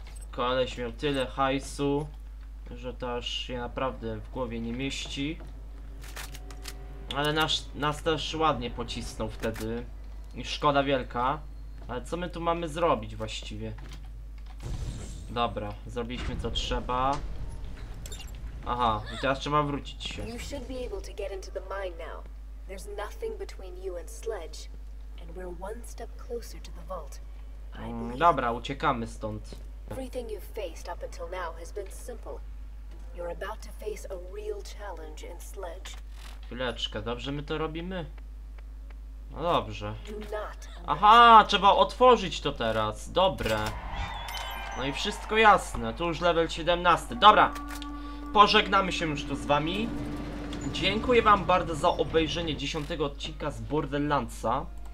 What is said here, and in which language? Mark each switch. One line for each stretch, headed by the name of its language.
Polish: Koleś miał tyle hajsu, że to aż się naprawdę w głowie nie mieści. Ale nas też ładnie pocisnął wtedy. I szkoda wielka. Ale co my tu mamy zrobić właściwie? Dobra, zrobiliśmy co trzeba. Aha, i teraz trzeba wrócić się.
English: You should be able to get into the mine now. There's nothing between you and Sledge, and we're one step closer to the vault.
Polish: Dobra, uciekamy stąd.
English: Everything you've faced up until now has been simple. You're about to face a real challenge in Sledge.
Polish: Chwileczkę, dobrze my to robimy. No dobrze. Aha, trzeba otworzyć to teraz. Dobre. No i wszystko jasne. Tu już level 17. Dobra. Pożegnamy się już tu z wami. Dziękuję wam bardzo za obejrzenie 10 odcinka z Borderlandsa.